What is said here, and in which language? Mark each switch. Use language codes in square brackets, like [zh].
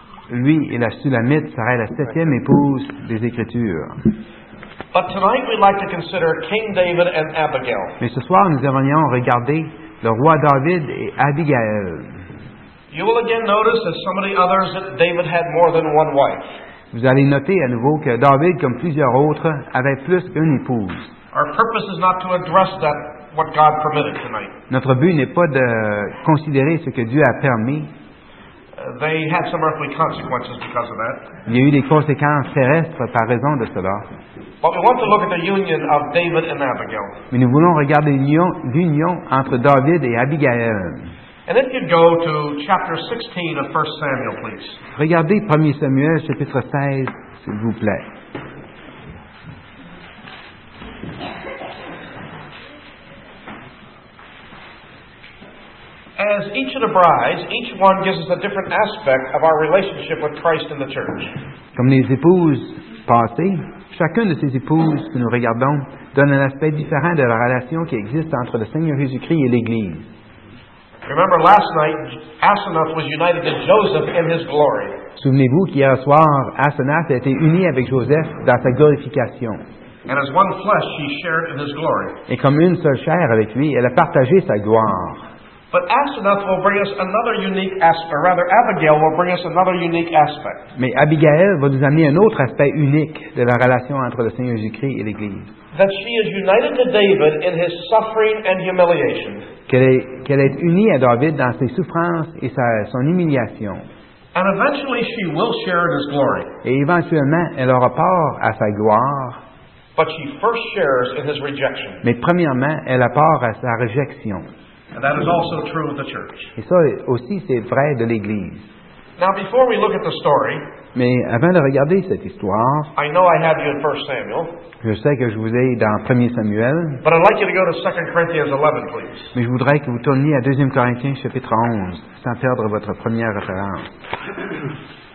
[fr] Lui et la Sulamite seraient la septième épouse des Écritures. [en] But tonight we'd like to consider King David and Abigail. [fr] Mais ce soir, nous aimerions regarder le roi David et Abigail. [en] You will again notice, as some of the others, that David had more than one wife. [fr] Vous allez noter à nouveau que David, comme plusieurs autres, avait plus qu'une épouse. [en] Our purpose is not to address that what God permitted tonight. [fr] Notre but n'est pas de considérer ce que Dieu a permis. [en] They had some earthly consequences because of that. [fr] Il y a eu des conséquences terrestres par raison de cela. [en] But we want to look at the union of David and Abigail. [fr] Mais nous voulons regarder l'union entre David et Abigail. [en] And if you'd go to chapter 16 of 1 Samuel, please. [fr] Regardez 1 Samuel, chapitre 16, s'il vous plaît. [en] As each of the brides, each one gives us a different aspect of our relationship with Christ in the church. [fr] Comme les épouses passées, chacune de ces épouses que nous regardons donne un aspect différent de la relation qui existe entre le Seigneur Jésus-Christ et l'Église. [en] Remember last night, Asenath was united to Joseph in his glory. [fr] Souvenez-vous qu'hier soir, Asenath a été uni avec Joseph dans sa glorification. [en] And as one flesh, she shared in his glory. [fr] Et comme une seule chair avec lui, elle a partagé sa gloire. [en] But Asenath will bring us another unique aspect, or rather Abigail will bring us another unique aspect. [fr] Mais Abigail va nous amener un autre aspect unique de la relation entre le Seigneur Jésus-Christ et l'Église. [en] That she is united to David in his suffering and humiliation. [fr] Qu'elle est unie à David dans ses souffrances et son humiliation. [en] And eventually she will share in his glory. [fr] Et éventuellement, elle aura part à sa gloire. [en] But she first shares in his rejection. [fr] Mais premièrement, elle a part à sa rejection. [en] And that is also true of the church. [fr] Et ça aussi, c'est vrai de l'Église. [en] Now, before we look at the story, [fr] mais avant de regarder cette histoire, [en] I know I have you in 1 Samuel, [fr] je sais que je vous ai dans 1 Samuel, [en] but I'd like you to go to 2 Corinthians 11, please. [fr] Mais je voudrais que vous tourniez à 2 Corinthiens, chapitre 11, sans perdre votre première référence.